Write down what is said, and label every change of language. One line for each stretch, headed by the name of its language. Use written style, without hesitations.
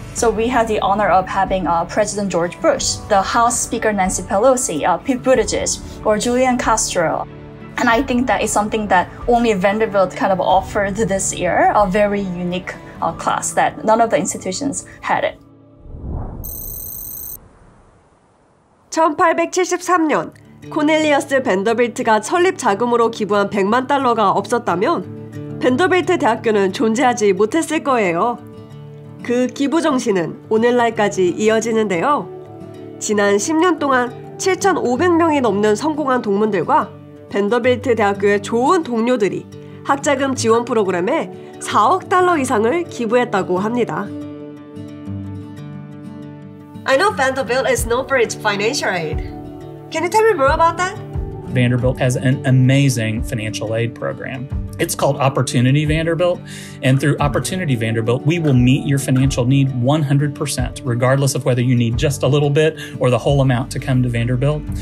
English: So we had the honor of having President George Bush, the House Speaker Nancy Pelosi, Pete Buttigieg, or Julian Castro. And I think that is something that only Vanderbilt kind of offered this year, a very unique class that none of the institutions had it.
Korean: 1873년, 코넬리어스 벤더빌트가 설립 자금으로 기부한 100만 달러가 없었다면 벤더빌트 대학교는 존재하지 못했을 거예요. 그 기부 정신은 오늘날까지 이어지는데요. 지난 10년 동안 7,500명이 넘는 성공한 동문들과 벤더빌트 대학교의 좋은 동료들이 학자금 지원 프로그램에 4억 달러 이상을 기부했다고 합니다.
English: I know Vanderbilt is known for its financial aid. Can you tell me more about that? Vanderbilt has an amazing financial aid program. It's called Opportunity Vanderbilt. And through Opportunity Vanderbilt, we will meet your financial need 100%, regardless of whether you need just a little bit or the whole amount to come to Vanderbilt.